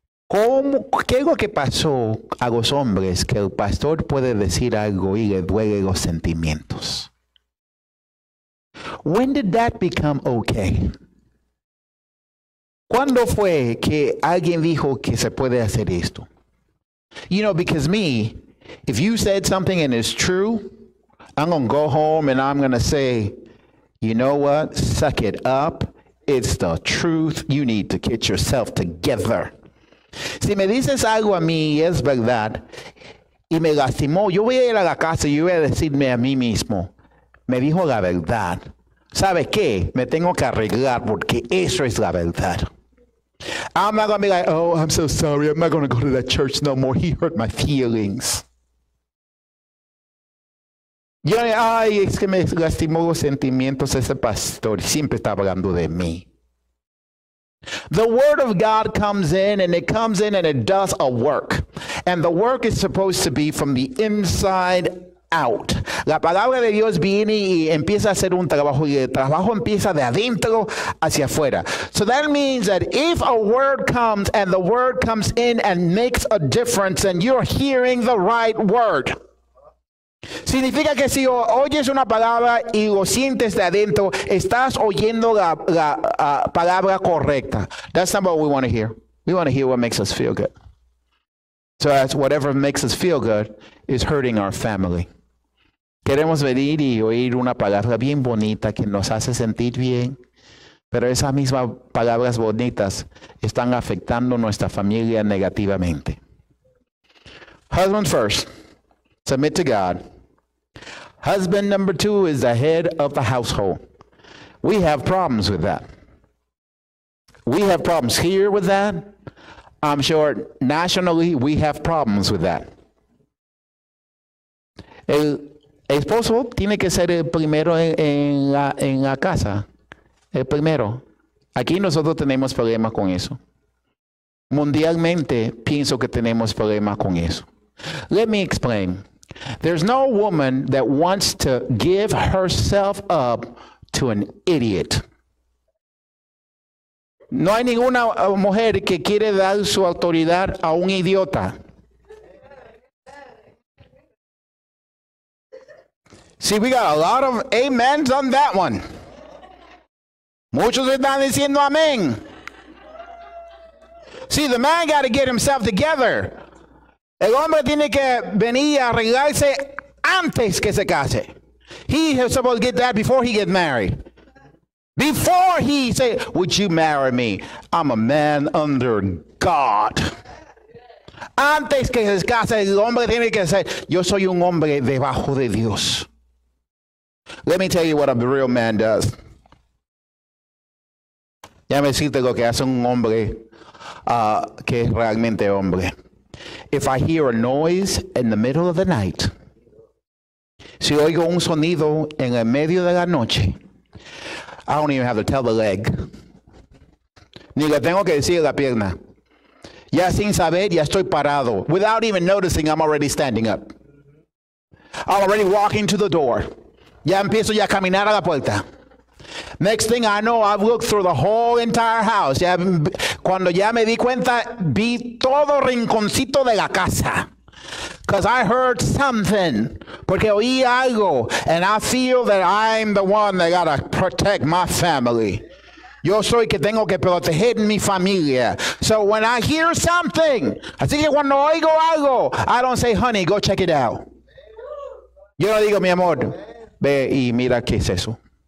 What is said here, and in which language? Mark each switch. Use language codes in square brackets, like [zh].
[es] ¿Cómo, qué es lo que pasó a los hombres que el pastor puede decir algo y le duele los sentimientos? [en] When did that become okay? [es] ¿Cuándo fue que alguien dijo que se puede hacer esto? [en] You know, because me, if you said something and it's true, I'm going to go home and I'm going to say, you know what? Suck it up. It's the truth. You need to get yourself together. [es] Si me dices algo a mí y es verdad y me lastimó, yo voy a ir a la casa y yo voy a decirme a mí mismo, me dijo la verdad. ¿Sabe qué? Me tengo que arreglar porque eso es la verdad. [en] I'm not going to be like, oh, I'm so sorry. I'm not going to go to that church no more. He hurt my feelings. [es] Yo, ay, es que me lastimó los sentimientos ese pastor. Siempre está hablando de mí. [en] The word of God comes in and it comes in and it does a work. And the work is supposed to be from the inside out. [es] La palabra de Dios viene y empieza a hacer un trabajo y el trabajo empieza de adentro hacia afuera. [en] So that means that if a word comes and the word comes in and makes a difference, then you're hearing the right word. [es] Significa que si oyes una palabra y lo sientes de adentro, estás oyendo la palabra correcta. [en] That's not what we want to hear. We want to hear what makes us feel good. So that's whatever makes us feel good is hurting our family. [es] Queremos venir y oír una palabra bien bonita que nos hace sentir bien, pero esas mismas palabras bonitas están afectando nuestra familia negativamente. [en] Husband first. Submit to God. Husband number two is the head of the household. We have problems with that. We have problems here with that. I'm sure nationally we have problems with that. [es] El esposo tiene que ser el primero en la casa. El primero. Aquí nosotros tenemos problemas con eso. Mundialmente pienso que tenemos problemas con eso. [en] Let me explain. There's no woman that wants to give herself up to an idiot. [es] No hay ninguna mujer que quiere dar su autoridad a un idiota. [en] See, we got a lot of amens on that one. [es] Muchos están diciendo amén. [en] See, the man got to get himself together. [es] El hombre tiene que venir a arreglarse antes que se case. [en] He is supposed to get that before he gets married. Before he say, would you marry me? I'm a man under God. [es] Antes que se case, el hombre tiene que say, yo soy un hombre debajo de Dios. [en] Let me tell you what a real man does. [es] Ya me decirte lo que hace un hombre que es realmente hombre. [en] If I hear a noise in the middle of the night, [es] si oigo un sonido en el medio de la noche, [en] I don't even have to tell the leg. [es] Ni le tengo que decir la pierna. Ya sin saber, ya estoy parado. [en] Without even noticing, I'm already standing up. I'm already walking to the door. [es] Ya empiezo ya a caminar a la puerta. [en] Next thing I know, I've looked through the whole entire house. [es] Ya, cuando ya me di cuenta, vi todo rinconcito de la casa. [en] Because I heard something. [es] Porque oí algo. [en] And I feel that I'm the one that gotta protect my family. [es] Yo soy que tengo que proteger mi familia. [en] So when I hear something, [es] así que cuando oigo algo, [en] I don't say, honey, go check it out. [es] Yo no digo, mi amor, ve y mira qué es eso.